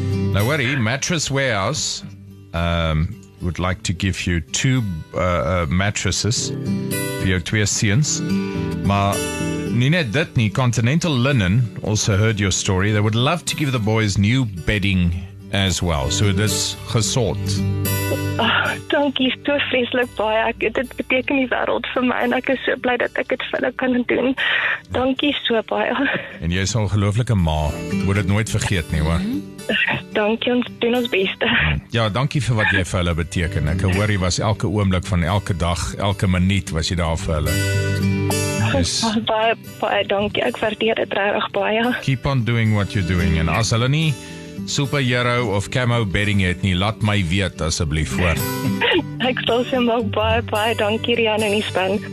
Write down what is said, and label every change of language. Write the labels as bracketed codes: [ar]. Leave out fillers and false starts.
[en] Now worry, Mattress Warehouse would like to give you two mattresses for your [af] twee seens. Maar nie net dit nie, Continental Linen [en] also heard your story. They would love to give the boys new bedding as well. [af] So dis gesort. Dankie, so vreselik baie. Dit beteken die wereld vir my en ek is so bly dat ek dit vir hulle kan doen. Dankie so baie. En jy is 'n ongelooflike ma. Word dit nooit vergeet nie, hoor. Dankie, ons doen ons beste. Ja, dankie vir wat jy vir hulle beteken. Ek hoor jy was elke oomblik van elke dag, elke minuut was jy daar vir hulle. Baie, baie dankie. Ek waardeer dit regtig baie. [en] Keep on doing what you're doing. [af] En as hulle nie superhero of camo bedding het nie. Laat my weet asseblief hoor. Ek sal se maak baie dankie Rian en die span.